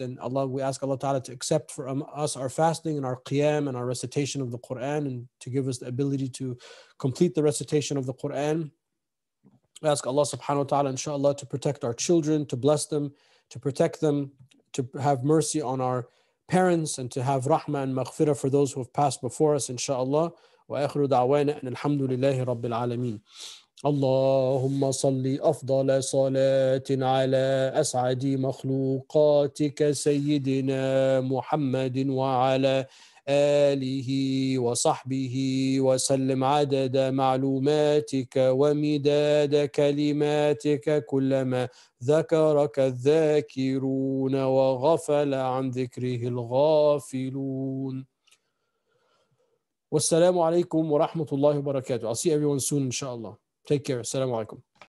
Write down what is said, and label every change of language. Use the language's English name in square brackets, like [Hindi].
[English] And Allah, we ask Allah Ta'ala to accept for us our fasting and our qiyam and our recitation of the Qur'an, and to give us the ability to complete the recitation of the Qur'an. We ask Allah Subhanahu wa Ta'ala, inshallah, to protect our children, to bless them, to protect them, to have mercy on our parents, and to have rahmah and maghfirah for those who have passed before us, inshallah. Wa akhiru da'wana and alhamdulillahi rabbil alameen. [Arabic] اللهم صل أفضل صلاة على أسعد مخلوقاتك سيدنا محمد وعلى آله وصحبه وسلم عدد معلوماتك ومداد كلماتك كلما ذكرك الذاكرون وغفل عن ذكره الغافلون. والسلام عليكم ورحمة الله وبركاته. [English] I'll see everyone soon, inshallah. Take care. Assalamu alaikum.